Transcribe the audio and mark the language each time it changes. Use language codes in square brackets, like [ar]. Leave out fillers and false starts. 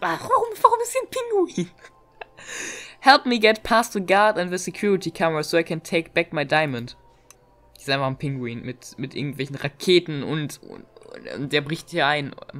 [de] Warum ist hier ein Pinguin? [en] Help me get past the guard and the security camera so I can take back my diamond. [de] Ich sag mal ein Pinguin mit irgendwelchen Raketen und der bricht hier ein.